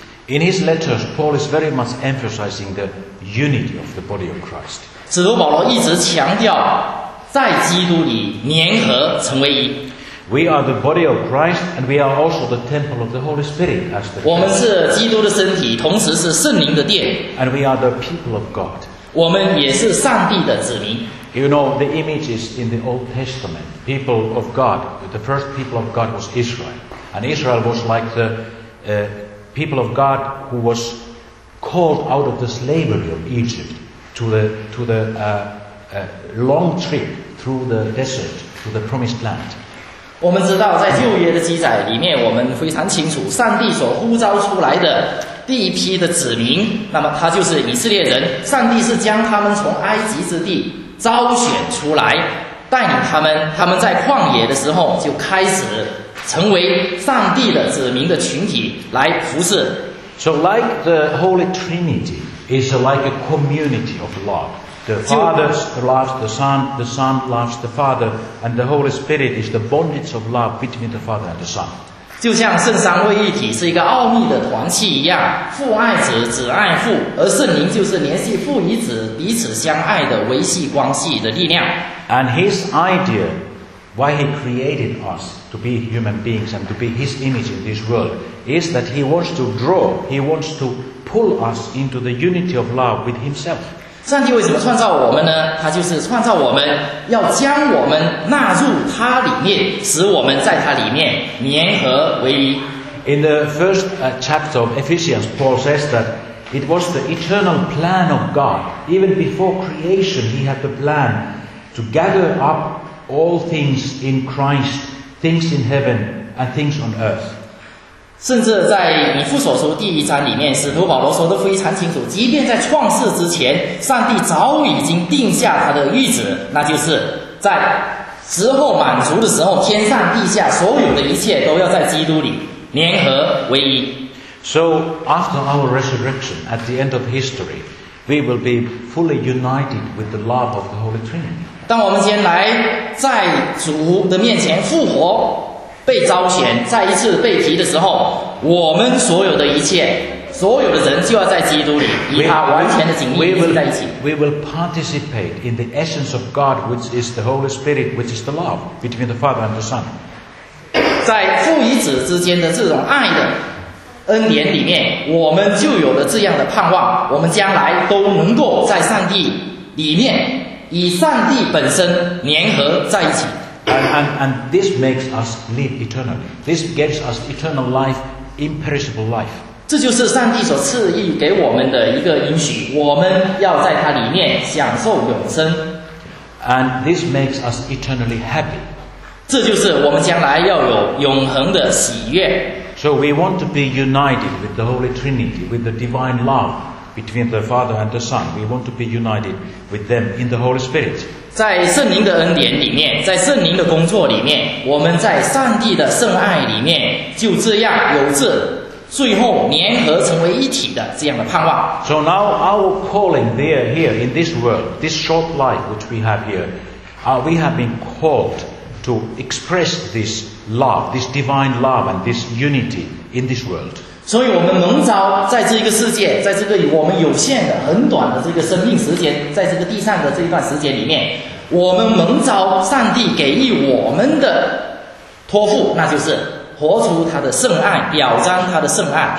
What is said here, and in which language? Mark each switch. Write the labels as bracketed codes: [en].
[en] In his letters, Paul is very much emphasizing the unity of the body of Christ. [zh] 使徒保罗一直强调在基督里联合成为一。 [en] We are the body of Christ, and we are also the temple of the Holy Spirit. As the [zh] 我们是基督的身体，同时是圣灵的殿。 [en] And we are the people of God. [zh] 我们也是上帝的子民。 [en] You know the images in the Old Testament. People of God, the first people of God was Israel, and Israel was like the people of God who was called out of the slavery of Egypt to the long trip through the desert to the promised land. [zh] 我们知道在旧约的记载里面，我们非常清楚上帝所呼召出来的第一批的子民，那么他就是以色列人。上帝是将他们从埃及之地招选出来，带领他们，他们在旷野的时候就开始成为上帝的子民的群体来服事。 [en] So like the Holy Trinity is like a community of loveThe Father loves the Son loves the Father, and the Holy Spirit is the bondage of love between the Father and the Son. [zh] 就像圣三位一体是一个奥秘的团契一样，父爱子，子爱父，而圣灵就是联系父与子彼此相爱的维系关系的力量。 [en] And his idea, why he created us to be human beings and to be his image in this world, is that he wants to draw, he wants to pull us into the unity of love with himself. [zh] 上帝为什么创造我们呢？他就是创造我们，要将我们纳入他里面，使我们在他里面联合为一。 [en] In the first chapter of Ephesians, Paul says that it was the eternal plan of God. Even before creation, he had the plan to gather up all things in Christ, things in heaven and things on earth. [zh] 甚至在以弗所书第一章里面，使徒保罗说得非常清楚，即便在创世之前，上帝早已经定下他的谕旨，那就是在时候满足的时候，天上地下所有的一切都要在基督里联合为一。 [en] So after our resurrection, at the end of history, we will be fully united with the love of the Holy Trinity. [zh] 当我们将来在主的面前复活，被招选，再一次被提的时候，我们所有的一切，所有的人就要在基督里与他完全的紧密联系在一起。 [en] We will participate in the essence of God, which is the Holy Spirit, which is the love between the Father and the Son. [zh] 在父与子之间的这种爱的恩典里面，我们就有了这样的盼望，我们将来都能够在上帝里面与上帝本身联合在一起。 [en] And this makes us live eternally. This gives us eternal life, imperishable life. [zh] 这就是上帝所赐予给我们的一个应许，我们要在它里面享受永生。 [en] And this makes us eternally happy. [zh] 这就是我们将来要有永恒的喜悦。 [en] So we want to be united with the Holy Trinity, with the divine love between the Father and the Son. We want to be united with them in the Holy Spirit. [zh] 在圣灵的恩典里面，在圣灵的工作里面，我们在上帝的圣爱里面，就这样有着最后联合成为一体的这样的盼望。 [en] So now our calling there here in this world, this short life which we have here, we have been called to express this love, this divine love and this unity in this world. [zh] 所以我们蒙召在这个世界，在这个我们有限的很短的这个生命时间，在这个地上的这一段时间里面，我们蒙召上帝给予我们的托付，那就是活出他的圣爱，表彰他的圣爱。